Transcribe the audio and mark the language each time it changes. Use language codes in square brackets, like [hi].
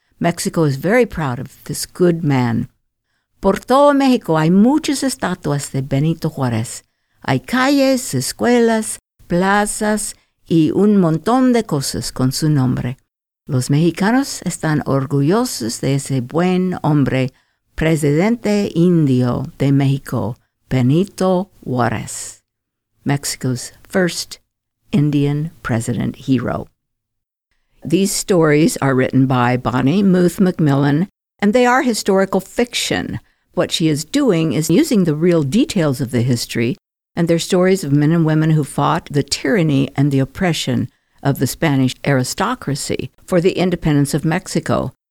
[en] Mexico is very proud of this good man. [es] Por todo México hay muchas estatuas de Benito Juárez. Hay calles, escuelas, plazas y un montón de cosas con su nombre. Los mexicanos están orgullosos de ese buen hombre, presidente indio de México, Benito Juárez, [en] Mexico's first Indian president hero. These stories are written by Bonnie Muth McMillan, and they are historical fiction. What she is doing is using the real details of the history, and they're stories of men and women who fought the tyranny and the oppression of the Spanish aristocracy for the independence of Mexico.